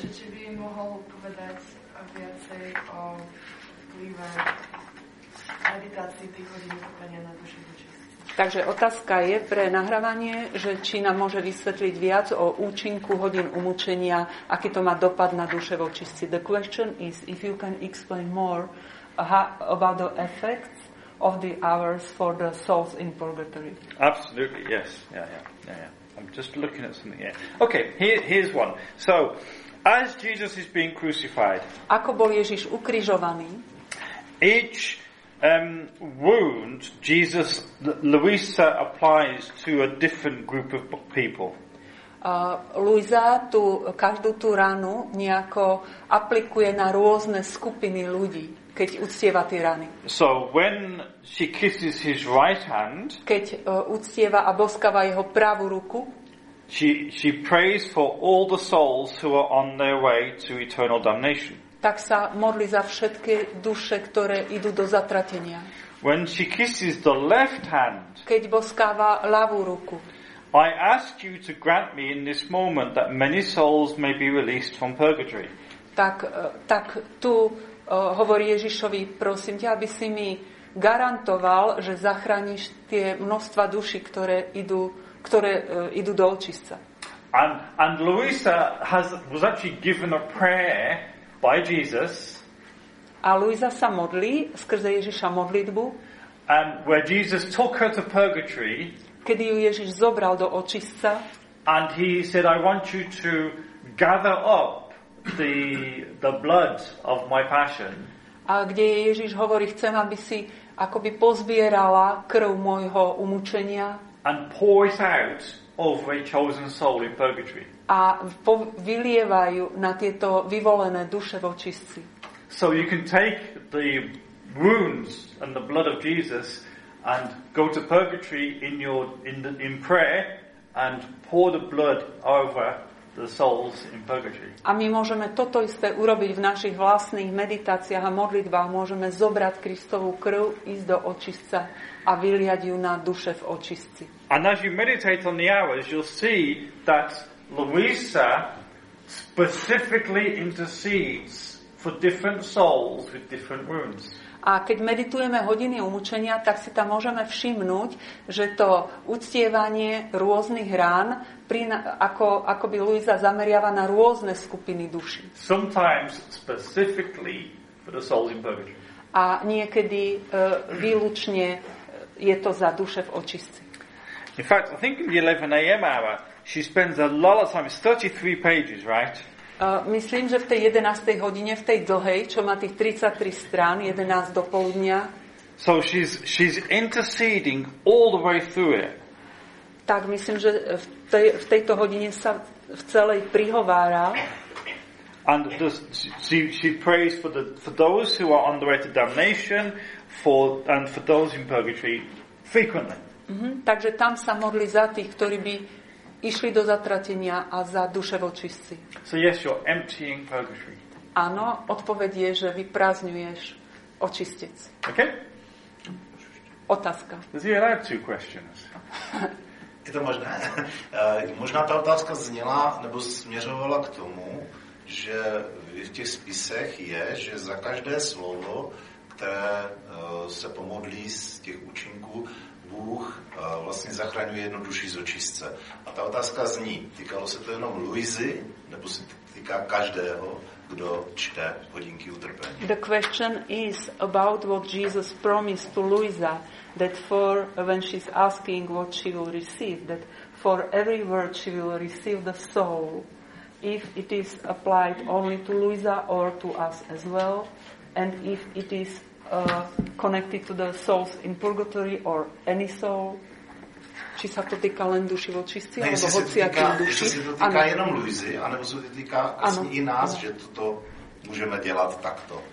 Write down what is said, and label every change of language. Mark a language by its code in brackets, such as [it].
[sk] Či by mohol povedať viacej o vplyve meditácii tých hodín utrpenia na duši v očistci? Takže otázka je pre nahrávanie, že či nám môže vysvetliť viac o účinku hodín umučenia, aký to má dopad na duše v očistci. [en] The question is, if you can explain more about the effects of the hours for the souls in purgatory. Absolutely, yes. Yeah. I'm just looking at something here. Okay, here's one. So, as Jesus is being crucified, [sk] ako bol Ježiš ukrižovaný, [en] each wound Jesus Luisa applies to a different group of people. [sk] Luisa tu každú tú ranu nejako aplikuje na rôzne skupiny ľudí. Keď uctieva tie rany. [en] So when she kisses his right hand, [sk] keď uctieva a boskáva jeho pravú ruku, [en] she prays for all the souls who are on their way to eternal damnation. [sk] Tak sa modlí za všetky duše, ktoré idú do zatratenia. [en] When she kisses the left hand, [sk] keď boskáva ľavú ruku, [en] I ask you to grant me in this moment that many souls may be released from purgatory. [sk] Tak tu hovorí Ježišovi, prosím ťa, aby si mi garantoval, že zachrániš tie množstva duši, ktoré idú do očistca. [en] And Luisa was actually given a prayer by Jesus. [sk] A Luisa sa modlí skrze Ježiša modlitbu. [en] And where Jesus took her to purgatory. [sk] Kedy ju Ježiš zobral do očistca. [en] And he said, I want you to gather up the blood of my passion. [sk] A kde Ježiš hovorí, chcem, aby si akoby pozbierala krv môjho umučenia. [en] And pour it out over a chosen soul in purgatory. [sk] A vylievajú na tieto vyvolené duše v očistci. [en] So you can take the wounds and the blood of Jesus and go to purgatory in prayer and pour the blood over the souls in purgatory. [sk] A my môžeme toto isté urobiť v našich vlastných meditáciách a modlitbách. Môžeme zobrať Kristovú krv, ísť do očistca a vyliať ju na duše v očistci. [en] And as you meditate on the hours, you'll see that Luisa specifically intercedes for different souls with different wounds. [sk] A keď meditujeme hodiny umučenia, tak si tam môžeme všimnúť, že to uctievanie rôznych rán ako by Luisa zameriava na rôzne skupiny duší. [en] Sometimes specifically for the souls in purgatory. [sk] A niekedy výlučne je to za duše v očistci. [en] In fact, I think in the 11 a.m. hour, she spends a lot of time, 33 pages, right? [sk] Myslím, že v tej 11. hodine, v tej dlhej, čo má tých 33 strán, 11 do poludnia. [en] So she's interceding all the way through it. [sk] Tak myslím, že v tejto hodine sa v celej prihovára. [en] And she prays for those who are on the way to damnation and for those in purgatory frequently. Mm-hmm. [sk] Takže tam sa modlí za tých, ktorí by išli do zatratenia a za duše v očistci. [en] So yes, you're emptying purgatory. [sk] Áno, odpoveď je, že vyprázdňuješ očistec. [en] Okay? [sk] Otázka. [en] Does he have two questions? [sk] Je to možné? [cs] Možná ta otázka zněla nebo směřovala k tomu, že v těch spisech je, že za každé slovo, které se pomodlí z těch účinků, Bůh vlastně zachraňuje jednu duši z očistce. A ta otázka zní, týkalo se to jenom Luizy, nebo se týká každého, kdo čte hodinky utrpení? [en] The question is about what Jesus promised to Luisa, that for when she's asking what she will receive, that for every word she will receive the soul, if it is applied only to Luisa or to us as well, and if it is connected to the souls in purgatory or any soul. [sk] Či sa to týka len duši v očistci, ne, alebo hoci aký duši. [cs] Jestli se to týká jenom Luizy, anebo se to týká i nás, že toto můžeme dělat takto.